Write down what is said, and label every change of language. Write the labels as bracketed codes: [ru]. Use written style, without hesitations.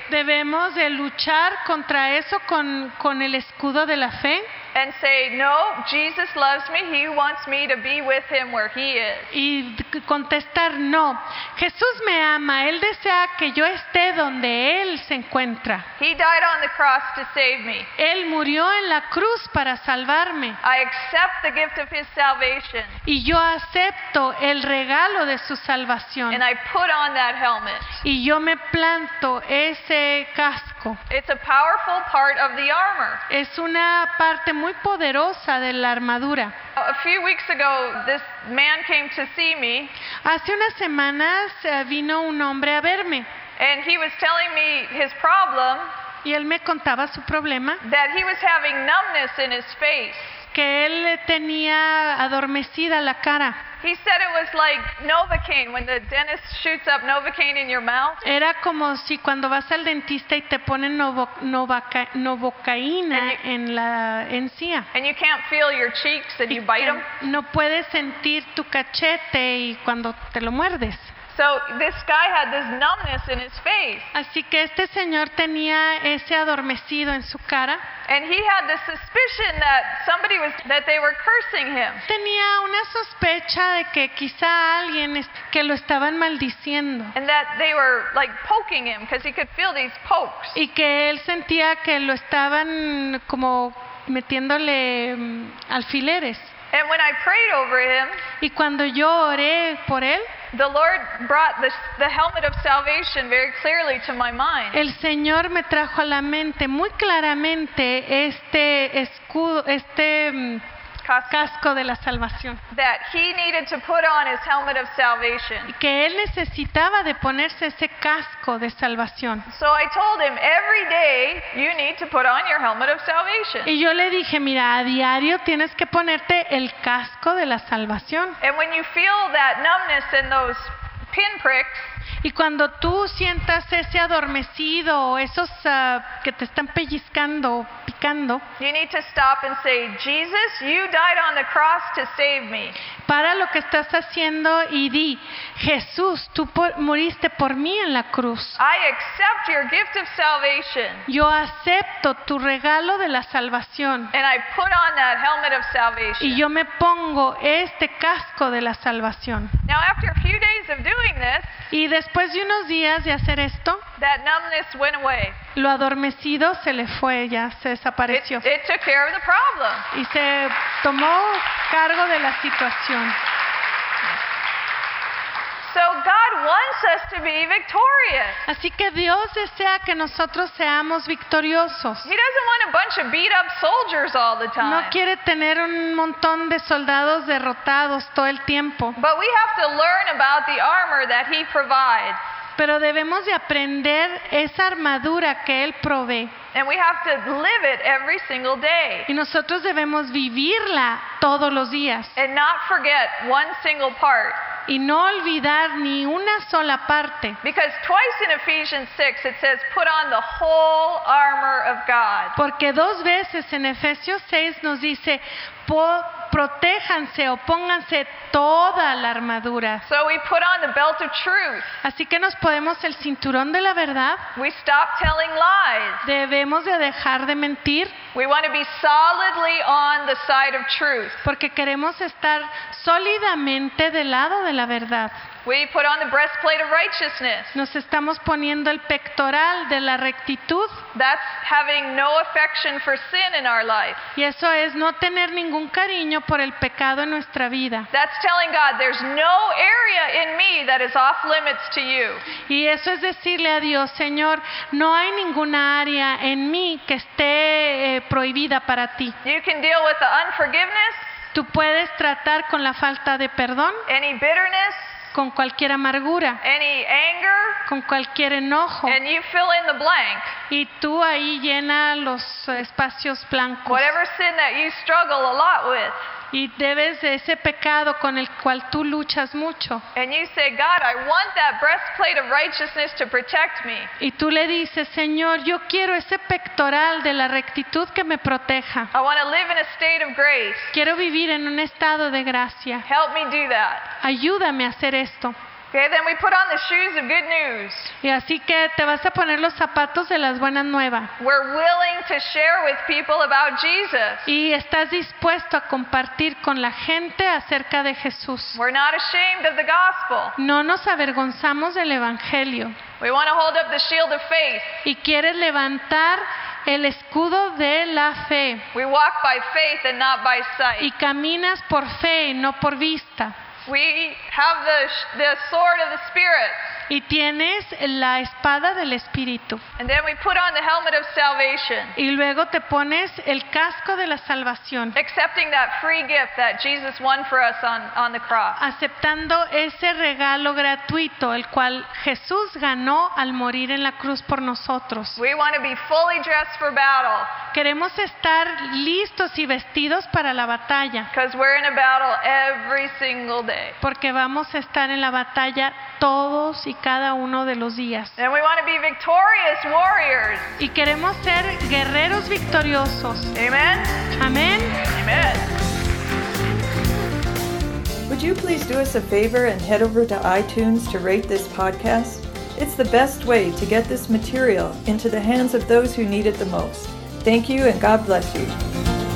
[es] Debemos de luchar contra eso con el escudo de la fe. [en] And say, no, Jesus loves me. He wants me to be with him where he is. [es] Y contestar, no, Jesús me ama. Él desea que yo esté donde él se encuentra. [en] He died on the cross to save me. [es] Él murió en la cruz para salvarme. [en] I accept the gift of his salvation. [es] Y yo acepto el regalo de su salvación. [en] And I put on that helmet. [es] Y yo me planto ese casco. [en] It's a powerful part of the armor. [es] Es una parte muy poderosa de la armadura. [en] A few weeks ago, this man came to see me. [es] Hace unas semanas vino un hombre a verme. [en] And he was telling me his problem. [es] Y él me contaba su problema. [en] That he was having numbness in his face. [es] Que él tenía adormecida la cara. [en] He said it was like Novocaine when the dentist shoots up Novocaine in your mouth. [es] Era como si cuando vas al dentista y te ponen Novocaína en la encía. [en] And you can't feel your cheeks and you bite them. [es] No puedes sentir tu cachete y cuando te lo muerdes. [en] So this guy had this numbness in his face. [es] Así que este señor tenía ese adormecido en su cara. [en] And he had the suspicion that somebody was that they were cursing him. [es] Tenía una sospecha de que quizá alguien que lo estaban maldiciendo. [en] And that they were like poking him because he could feel these pokes. [es] Y que él sentía que lo estaban como metiéndole alfileres. [en] And when I prayed over him, [es] y cuando yo oré por él, [en] the Lord brought the helmet of salvation very clearly to my mind. [es] El Señor me trajo a la mente muy claramente este escudo, este casco de la salvación. [en] That he needed to put on his helmet of salvation. [es] Que él necesitaba de ponerse ese casco de salvación. [en] So I told him, every day you need to put on your helmet of salvation. [es] Y yo le dije, mira, a diario tienes que ponerte el casco de la salvación. [en] And when you feel that numbness and those pinpricks, [es] y cuando tú sientas ese adormecido o esos que te están pellizcando o picando, [en] you need to stop and say, Jesus, you died on the cross to save me. [es] Para lo que estás haciendo y di, Jesús, tú moriste por mí en la cruz. [en] I accept your gift of salvation. [es] Yo acepto tu regalo de la salvación. [en] And I put on that helmet of salvation. [es] Y yo me pongo este casco de la salvación. [en] Now, after a few days of doing this, [es] y después de unos días de hacer esto, [en] that numbness went away. [es] Lo adormecido se le fue, ya se desapareció. [en] It took care of the problem. [es] Y se tomó cargo de la situación. [en] So God wants us to be victorious. [es] Así que Dios desea que nosotros seamos victoriosos. [en] He doesn't want a bunch of beat up soldiers all the time. [es] No quiere tener un montón de soldados derrotados todo el tiempo. [en] But we have to learn about the armor that he provides. [es] Pero debemos de aprender esa armadura que él provee. [en] And we have to live it every single day. [es] Y nosotros debemos vivirla todos los días. [en] And not forget one single part. [es] Y no olvidar ni una sola parte. [en] Because twice in Ephesians 6 it says put on the whole armor of God. [es] Porque dos veces en Efesios 6 nos dice protéjanse o pónganse toda la armadura. [en] So we put on the belt of truth. [es] Así que nos ponemos el cinturón de la verdad. [en] We stop telling lies. [es] Debemos de dejar de mentir. [en] We want to be solidly on the side of truth. [es] Porque queremos estar sólidamente del lado de la verdad. [en] We put on the breastplate of righteousness. [es] Nos estamos poniendo el pectoral de la rectitud. [en] That's having no affection for sin in our life. [es] Y eso es no tener ningún cariño por el pecado en nuestra vida. [en] That's telling God there's no area in me that is off limits to you. [es] Y eso es decirle a Dios, Señor, no hay ninguna área en mí que esté prohibida para ti. [en] You can deal with the unforgiveness. [es] Tú puedes tratar con la falta de perdón. [en] Any bitterness. [es] Con cualquier amargura. [en] Any anger. [es] Con cualquier enojo. [en] And you fill in the blank. [es] Y tú ahí llena los espacios blancos. [en] Whatever sin that you struggle a lot with. [es] Y debes de ese pecado con el cual tú luchas mucho. [en] And you say, God, I want that breastplate of righteousness to protect me. [es] Y tú le dices, Señor, yo quiero ese pectoral de la rectitud que me proteja. [en] I want to live in a state of grace. [es] Quiero vivir en un estado de gracia. [en] Help me do that. [es] Ayúdame a hacer esto. [en] Okay, then we put on the shoes of good news. [es] Y así que te vas a poner los zapatos de las buenas nuevas. [en] We're willing to share with people about Jesus. [es] Y estás dispuesto a compartir con la gente acerca de Jesús. [en] We're not ashamed of the gospel. [es] No nos avergonzamos del evangelio. [en] We want to hold up the shield of faith. [es] Y quieres levantar el escudo de la fe. [en] We walk by faith and not by sight. [es] Y caminas por fe, no por vista. [en] We have the sword of the Spirit. [es] Y tienes la espada del Espíritu. [en] And then we put on the helmet of salvation. [es] Y luego te pones el casco de la salvación. [en] Accepting that free gift that Jesus won for us on the cross. [es] Aceptando ese regalo gratuito el cual Jesús ganó al morir en la cruz por nosotros. [en] We want to be fully dressed for battle. [es] Queremos estar listos y vestidos para la batalla. [en] Because we're in a battle every single day. [es] Porque vamos a estar en la batalla todos y cada uno de los días. [en] And we want to be victorious warriors. [es] Y queremos ser guerreros victoriosos. [en] Amen. [es] Amen. [en] Amen. Would you please do us a favor and head over to iTunes to rate this podcast? It's the best way to get this material into the hands of those who need it the most. Thank you, and God bless you.